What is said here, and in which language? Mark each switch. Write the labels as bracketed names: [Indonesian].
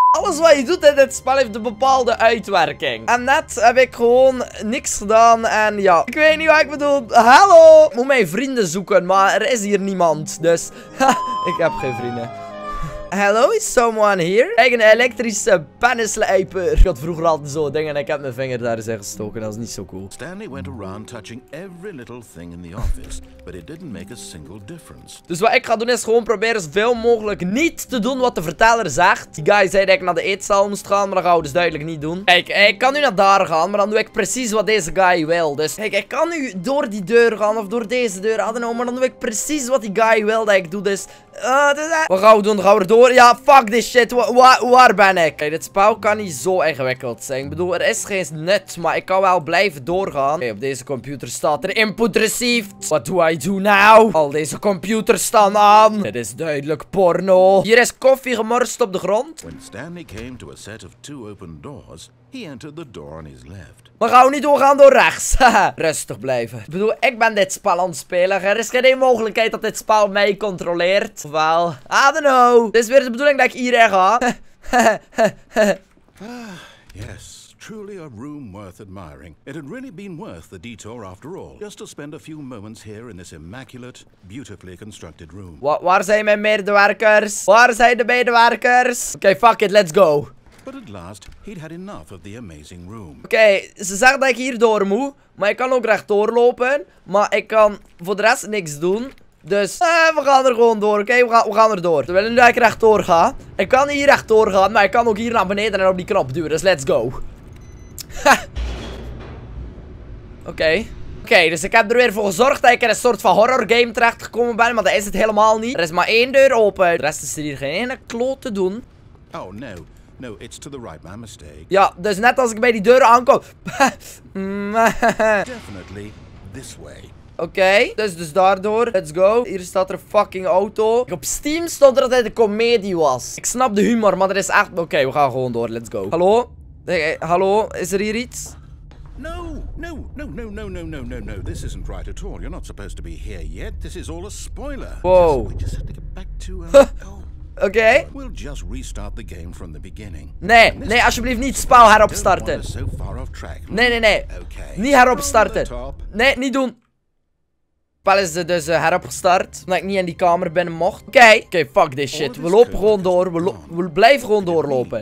[Dutch] Alles wat je doet in dit spel heeft een bepaalde uitwerking. En net heb ik gewoon niks gedaan en ja. Ik weet niet wat ik bedoel. Hallo! Ik moet mijn vrienden zoeken, maar er is hier niemand. Dus, ik heb geen vrienden. [English] Hello, is someone here? [Dutch] Kijk, een elektrische pennenslijper. Ik had vroeger altijd zo'n ding en ik heb mijn vinger daar eens in gestoken. Dat is niet zo cool. [English] Stanley went around touching every little thing in the office, but it didn't make a single difference. [Dutch] Dus wat ik ga doen is gewoon proberen zoveel mogelijk niet te doen wat de verteller zegt. Die guy zei dat ik naar de eetzaal moest gaan, maar dat gaan we dus duidelijk niet doen. Kijk, ik kan nu naar daar gaan, maar dan doe ik precies wat deze guy wil. Dus kijk, ik kan nu door die deur gaan of door deze deur, [English] I don't know, [Dutch] maar dan doe ik precies wat die guy wil dat ik doe. Dus... wat gaan we doen? Dan gaan we erdoor. Ja, [English] fuck this shit. [Dutch] Waar ben ik? Kijk, dit spel kan niet zo ingewikkeld zijn. Ik bedoel, er is geen nut, maar ik kan wel blijven doorgaan. Kijk, op deze computer staat er [English] input received. What do I do now? [Dutch] Al deze computers staan aan. Dit is duidelijk porno. Hier is koffie gemorst op de grond. [English] When Stanley came to a set of two open doors, he entered the door on his left. [Dutch] Maar gaan we niet doorgaan door rechts? Rustig blijven. Ik bedoel, ik ben dit spel aan het spelen. Er is geen mogelijkheid dat dit spel mij controleert. Of wel? [English] I don't know. [Dutch] Dit is weer de bedoeling dat ik hierheen ga. [English] Yes. Truly a room worth admiring. It had really been worth the detour after all. Just to spend a few moments here in this immaculate, beautifully constructed room. [Dutch] Waar zijn mijn medewerkers? Waar zijn de medewerkers? [English] Oké, okay, fuck it, let's go. But at last, he'd had enough of the amazing room. [Dutch] Oké, okay, ze zegt dat ik hier door moet. Maar ik kan ook rechtdoor lopen. Maar ik kan voor de rest niks doen. Dus we gaan er gewoon door, oké? Okay? We gaan er door. We willen nu dat ik rechtdoor ga. Ik kan hier rechtdoor gaan, maar ik kan ook hier naar beneden en op die knop duwen. Dus [English] let's go. [Dutch] Oké. Okay, dus ik heb er weer voor gezorgd dat ik in een soort van horror game terechtgekomen ben. Maar dat is het helemaal niet. Er is maar één deur open. De rest is er hier geen ene kloot te doen. [English] Oh, no. No, it's to the right, my mistake. [Dutch] Ja, dus net als ik bij die deur aankom. [English] Definitely this way. [Dutch] Oké, okay, dus daardoor. [English] Let's go. [Dutch] Hier staat er een fucking auto. Kijk, op Steam stond er dat het een komedie was. Ik snap de humor, maar er is echt... Oké, okay, we gaan gewoon door. [English] Let's go. [Dutch] Hallo? Hallo? Is er hier iets? [English] No, no, no, no, no, no, no, no, no. This isn't right at all. You're not supposed to be here yet. This is all a spoiler. Wow. We just have to get back to... Oké. Okay. We'll just restart the game from the beginning. [Dutch] Nee, nee, alsjeblieft niet spel heropstarten. [English] So far off track. [Dutch] Nee, nee, nee. Okay. Niet heropstarten. Nee, niet doen. Spel is dus heropgestart. Omdat ik niet in die kamer binnen mocht. Oké. Okay. Oké, okay, [English] fuck this shit. [Dutch] We lopen gewoon door. We blijven gewoon doorlopen.